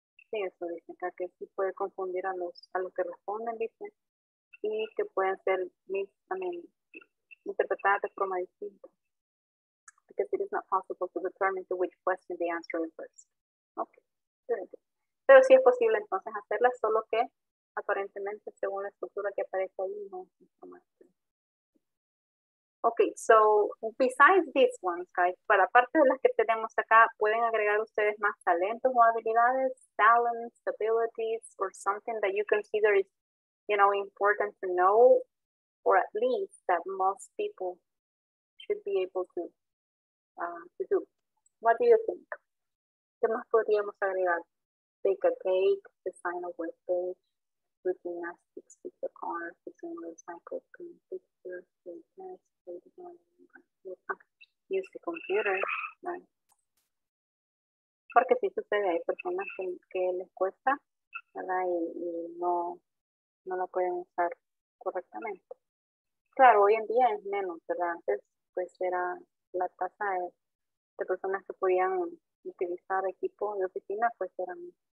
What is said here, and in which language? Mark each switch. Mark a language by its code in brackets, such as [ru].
[es] Sí, eso dice acá, que sí puede confundir a los que responden, dice, y que pueden ser también interpretadas de forma distinta. [en] Because it is not possible to determine to which question the answer is first. Okay, good. [es] Pero sí es posible entonces hacerla, solo que aparentemente según la estructura que aparece ahí, no es más. [en] Ok, so besides these ones, guys, [es] para aparte de las que tenemos acá, ¿pueden agregar ustedes más talentos o habilidades? [en] Talents, abilities, or something that you consider is, you know, important to know, or at least that most people should be able to do. What do you think? [es] ¿Qué más podríamos agregar? [en] Bake a cake, design a web page, do gymnastics, fix the car, fix a motorcycle, paint pictures, play chess, play the game, use the computer, right? [es] Porque si sucede, hay personas que les cuesta, ¿verdad? Y no lo pueden usar correctamente. Claro, hoy en día es menos, ¿verdad? Antes, pues era la tasa de personas que podían utilizar equipo de oficina, pues era menos.